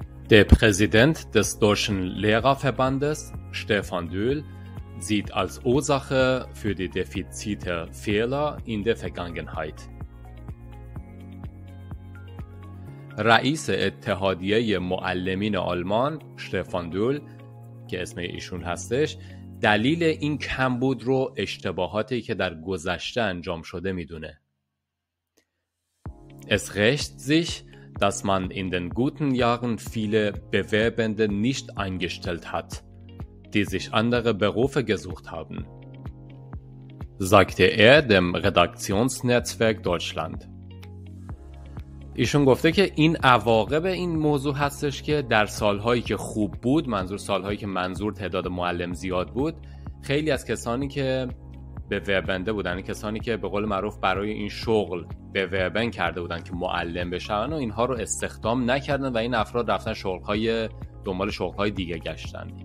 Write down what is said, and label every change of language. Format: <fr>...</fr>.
<de>Der Präsident des Deutschen Lehrerverbandes, Stefan Dühl, sieht als Ursache für die Defizite Fehler in der Vergangenheit.</de> <fa>رئیس اتحادیه معلمین آلمان، Stefan Dühl, که اسم ایشون هستش، دلیل این کمبود رو اشتباهاتی که در گذشته انجام شده میدونه.</fa> <de>Es rächt sich, dass man in den guten Jahren viele Bewerbende nicht eingestellt hat, die sich andere Berufe gesucht haben, sagte er dem Redaktionsnetzwerk Deutschland.</de> <fa>ایشون گفته که این عواقب این موضوع هستش که در سالهایی که خوب بود، منظور سالهایی که منظور تعداد معلم زیاد بود، خیلی از کسانی که به وربنده بودن، کسانی که به قول معروف برای این شغل به وربن کرده بودن که معلم بشن، و اینها رو استخدام نکردن و این افراد رفتن شغلهای دنبال شغلهای دیگه گشتن.</fa>